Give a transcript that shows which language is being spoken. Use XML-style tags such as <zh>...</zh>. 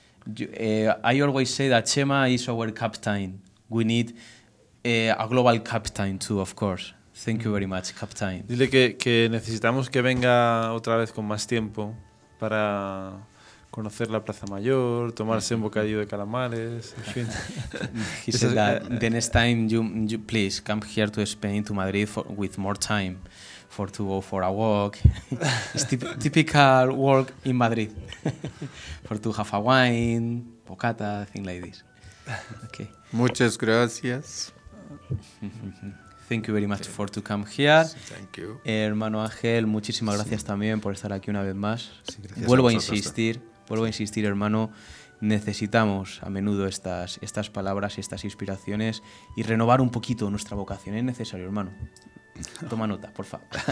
<en>I always say that Chema is our captain. We need a global captain too, of course. Thank you very much, captain.</en> <es>Dile que necesitamos que venga otra vez con más tiempo para conocer la Plaza Mayor, tomarse un bocadillo de calamares, en fin.</es> <en>He said that the next time you please come here to Spain, to Madrid, with more time for to go for a walk. It's typical walk in Madrid. For to have a wine, bocata, things like this. Okay.</en> <es>Muchas gracias.</es> <en>Thank you very much for to come here. Thank you.</en> <es>Hermano Ángel, muchísimas gracias también por estar aquí una vez más. Vuelvo a insistir, hermano, necesitamos a menudo estas palabras y estas inspiraciones y renovar un poquito nuestra vocación. Es necesario, hermano. Toma nota, por favor.</es>